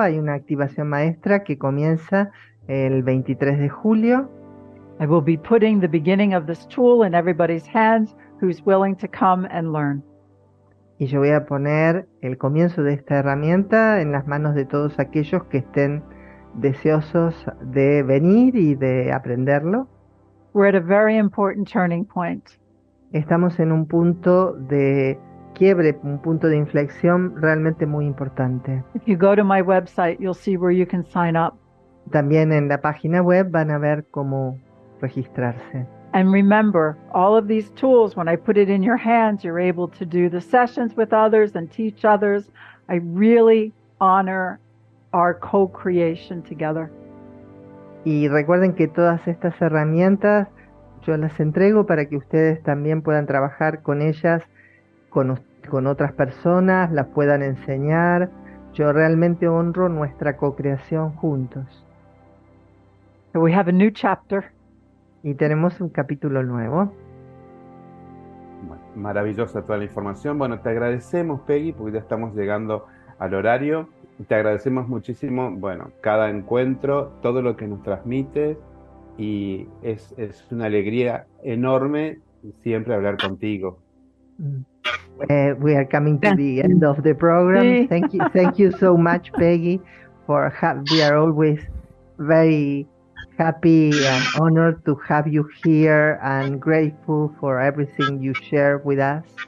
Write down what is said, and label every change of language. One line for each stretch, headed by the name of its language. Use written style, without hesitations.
Spanish: Hay una activación maestra que comienza el 23 de julio.
English: I will be putting the beginning of this tool in everybody's hands who's willing to come and learn.
Spanish: Y yo voy a poner el comienzo de esta herramienta en las manos de todos aquellos que estén deseosos de venir y de aprenderlo.
English: We're at a very important turning point.
Spanish: Estamos en un punto de quiebre, un punto de inflexión realmente muy importante.
English: If you go to my website, you'll see where you can sign up.
Spanish: También en la página web van a ver cómo registrarse.
English: And remember, all of these tools, when I put it in your hands, you're able to do the sessions with others and teach others. I really honor our co-creation together.
Spanish: Y recuerden que todas estas herramientas yo las entrego para que ustedes también puedan trabajar con ellas, con otras personas, las puedan enseñar. Yo realmente honro nuestra co-creación juntos.
English: So we have a new chapter.
Spanish: Y tenemos un capítulo nuevo. Bueno, maravillosa toda la información. Bueno, te agradecemos, Peggy, porque ya estamos llegando al horario. Te agradecemos muchísimo, bueno, cada encuentro, todo lo que nos transmites, y es una alegría enorme siempre hablar contigo.
English: We are coming to the end of the program. Sí. Thank you so much, Peggy, for we are always very happy and honored to have you here and grateful for everything you share with us.